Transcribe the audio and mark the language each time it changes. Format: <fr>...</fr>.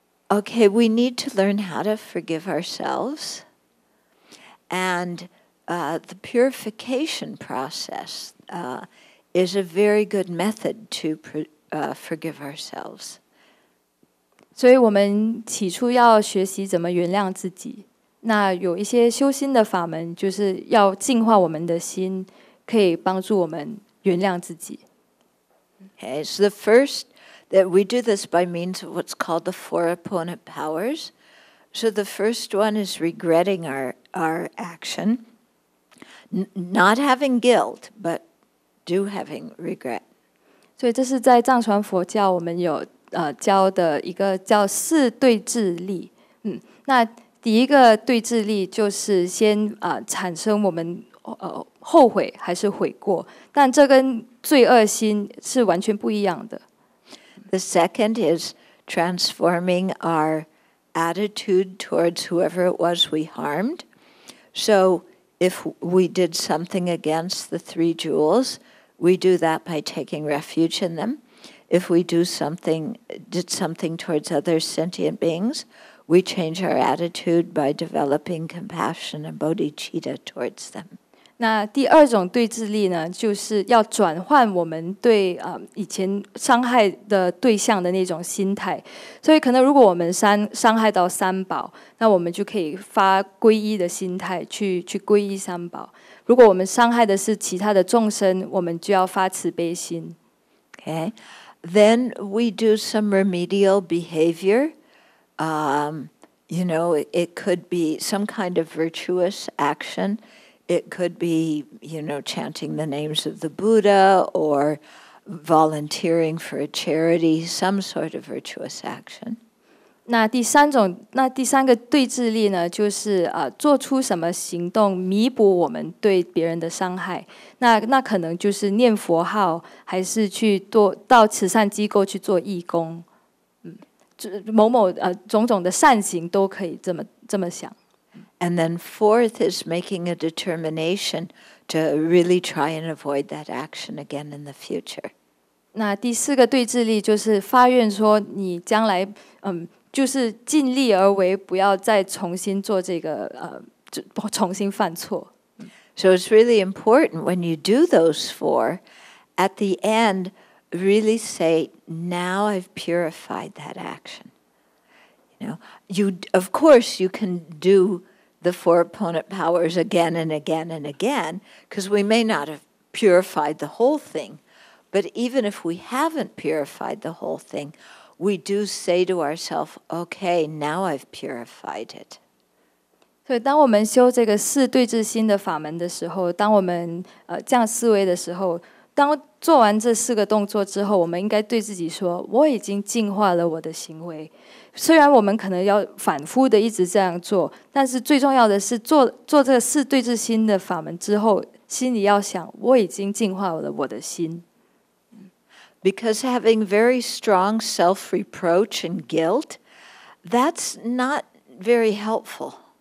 <en>Okay, we need to learn how to forgive ourselves. And the purification process is a very good method to forgive ourselves.</en> <zh>所以我们起初要学习怎么原谅自己。那有一些修心的法门，就是要净化我们的心，可以帮助我们原谅自己。</zh> <en>Okay, so the first, that we do this by means of what's called the four opponent powers. So the first one is regretting our action. Not having guilt, but do having regret.</en> <zh>所以这是在藏传佛教我们有教的一个叫四对治力。那第一个对治力就是先产生我们后悔还是悔过，但这跟罪恶心是完全不一样的。</zh> <en>The second is transforming our attitude towards whoever it was we harmed. So if we did something against the three jewels, we do that by taking refuge in them. If we did something towards other sentient beings, we change our attitude by developing compassion and bodhicitta towards them.</en> <zh>那第二种对治力呢，就是要转换我们对以前伤害的对象的那种心态。所以可能如果我们伤害到三宝，那我们就可以发皈依的心态去皈依三宝。如果我们伤害的是其他的众生，我们就要发慈悲心。</zh> <en>Okay. Then we do some remedial behavior. You know, it could be some kind of virtuous action. It could be, you know, chanting the names of the Buddha or volunteering for a charity, some sort of virtuous action.</en> <zh>那第三个对治力呢，就是做出什么行动弥补我们对别人的伤害。那可能就是念佛号，还是去到慈善机构去做义工。种种的善行都可以这么想。</zh> <en>And then fourth is making a determination to really try and avoid that action again in the future.</en> <zh>那第四个对治力就是发愿说你将来就是尽力而为，不要再重新做这个重新犯错。</zh> <en>So it's really important when you do those four, at the end, really say, now I've purified that action. You know, of course you can do the four opponent powers again and again and again, because we may not have purified the whole thing. But even if we haven't purified the whole thing, we do say to ourselves, okay, now I've purified it.</en> <zh>所以当我们修这个四对治心的法门的时候，当我们这样思维的时候，当做完这四个动作之后，我们应该对自己说，我已经净化了我的行为。虽然我们可能要反复的一直这样做，但是最重要的是 做这个四对治心的法门之后，心里要想，我已经净化了我的心。</zh> <en>Because having very strong self-reproach and guilt, that's not very helpful.</en>